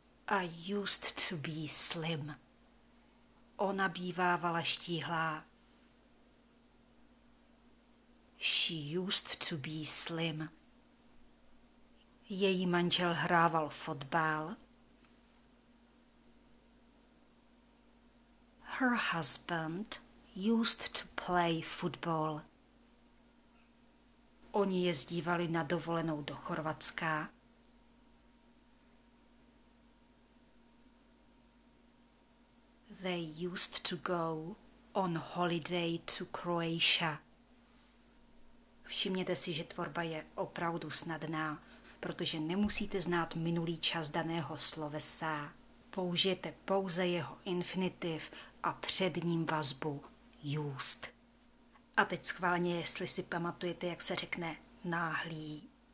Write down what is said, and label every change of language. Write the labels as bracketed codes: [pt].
[en] I used to be slim. [cs] Ona bývávala štíhlá. [en] She used to be slim. [cs] Její manžel hrával fotbal. [en] Her husband used to play football. [cs] Oni jezdívali na dovolenou do Chorvatska. [en] They used to go on holiday to Croatia. [cs] Všimněte si, že tvorba je opravdu snadná. Protože nemusíte znát minulý čas daného slovesa. Použijete pouze jeho infinitiv a před ním vazbu used. A teď schválně, jestli si pamatujete, jak se řekne náhlý.